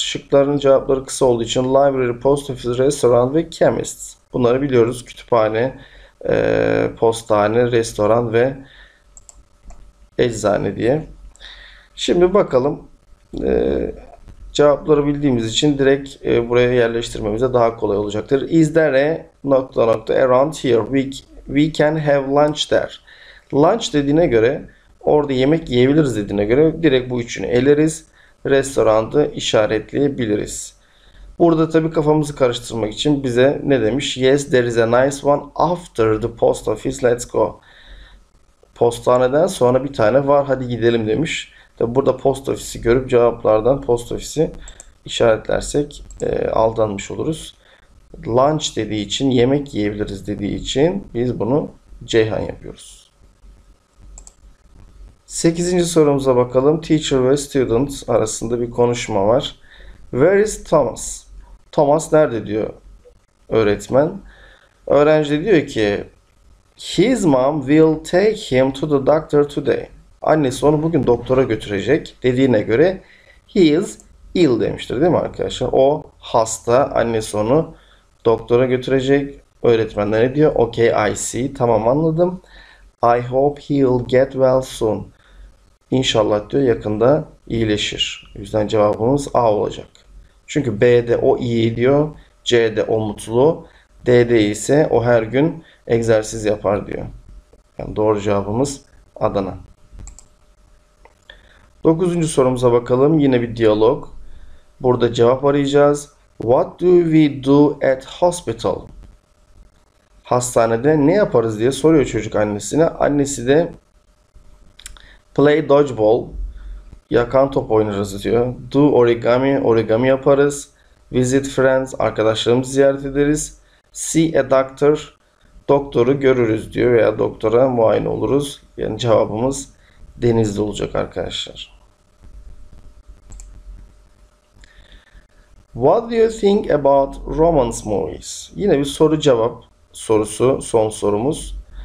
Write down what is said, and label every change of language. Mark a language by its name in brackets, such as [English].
[Turkish] Şıkların cevapları kısa olduğu için library, post office, restaurant ve chemist. Bunları biliyoruz. Kütüphane, postane, restoran ve eczane diye. Şimdi bakalım. Cevapları bildiğimiz için direkt buraya yerleştirmemize daha kolay olacaktır. [English] Is there a [Turkish] nokta nokta [English] around here? We can have lunch there. [Turkish] Lunch dediğine göre, orada yemek yiyebiliriz dediğine göre direkt bu üçünü eleriz. Restorandı işaretleyebiliriz. Burada tabii kafamızı karıştırmak için bize ne demiş? [English] Yes, there is a nice one after the post office. Let's go. [Turkish] Postaneden sonra bir tane var. Hadi gidelim demiş. Tabii burada post ofisi görüp cevaplardan post ofisi işaretlersek aldanmış oluruz. Lunch dediği için, yemek yiyebiliriz dediği için biz bunu Ceyhan yapıyoruz. 8. sorumuza bakalım. Teacher ve student arasında bir konuşma var. [English] Where is Thomas? [Turkish] Thomas nerede diyor öğretmen. Öğrenci diyor ki [English] His mom will take him to the doctor today. [Turkish] Annesi onu bugün doktora götürecek dediğine göre [English] he is ill [Turkish] demiştir değil mi arkadaşlar? O hasta, annesi onu doktora götürecek. Öğretmen ne diyor? [English] Okay, I see. [Turkish] Tamam, anladım. [English] I hope he'll get well soon. [Turkish] İnşallah diyor, yakında iyileşir. O yüzden cevabımız A olacak. Çünkü B'de o iyi diyor. C'de o mutlu. D'de ise o her gün egzersiz yapar diyor. Yani doğru cevabımız Adana. 9. sorumuza bakalım. Yine bir diyalog. Burada cevap arayacağız. [English] What do we do at hospital? [Turkish] Hastanede ne yaparız diye soruyor çocuk annesine. Annesi de [English] play dodgeball, [Turkish] yakan top oynarız diyor. Do origami, origami yaparız. [English] Visit friends, [Turkish] arkadaşlarımızı ziyaret ederiz. [English] See a doctor, [Turkish] doktoru görürüz diyor veya doktora muayene oluruz. Yani cevabımız Denizli olacak arkadaşlar. [English] What do you think about romance movies? [Turkish] Yine bir soru cevap sorusu, son sorumuz.